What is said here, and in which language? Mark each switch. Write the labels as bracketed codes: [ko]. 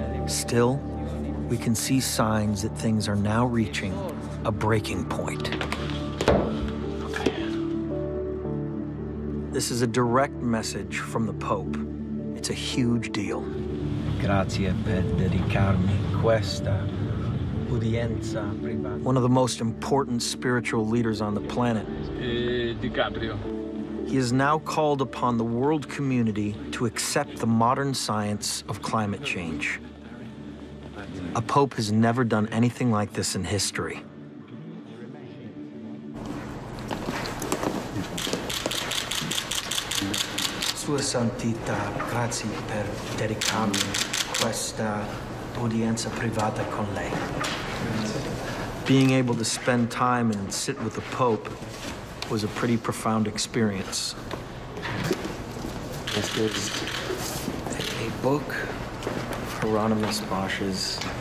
[en] Still, we can see signs that things are now reaching a breaking point. This is a direct message from the Pope. It's a huge deal. [it] Grazie per dedicarmi questa udienza privata. [en] One of the most important spiritual leaders on the planet. DiCaprio. He has now called upon the world community to accept the modern science of climate change. A pope has never done anything like this in history. [it] Sua Santità, grazie per dedicarmi questa udienza privata con lei. [en] Being able to spend time and sit with the Pope was a pretty profound experience. This is a book of Hieronymus Bosch's.